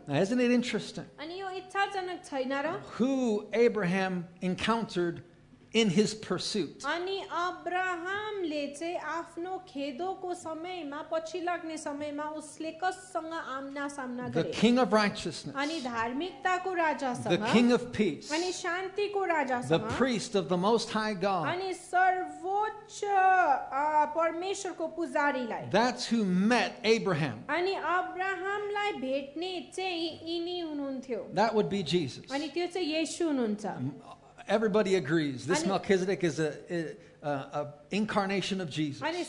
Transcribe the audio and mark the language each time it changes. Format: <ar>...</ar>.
<en>Now isn't it interesting?</en> <ne>अनि यो इच्छाजनक छैन र?</ne> <en>Who Abraham encountered in his pursuit.</en> <ne>अनि अब्राहमले चाहिँ आफ्नो खेदोको समयमा पछि लाग्ने समयमा उसले कससँग आमना सामना गरे?</ne> <en>The King of Righteousness.</en> <ne>अनि धार्मिकताको राजासँग.</ne> <en>The King of Peace.</en> <ne>अनि शान्तिको राजासँग.</ne> <en>The Priest of the Most High God.</en> <ne>अनि सर्वोच्च परमेश्वरको पुजारीलाई.</ne> <en>That's who met Abraham.</en> <ne>अनि अब्राहमलाई भेट्ने चाहिँ इनी हुनुहुन्थ्यो.</ne> <en>That would be Jesus.</en> <ne>अनि त्यो चाहिँ येशू हुनुहुन्छ.</ne> <en>Everybody agrees this Melchizedek is an incarnation of Jesus.</en>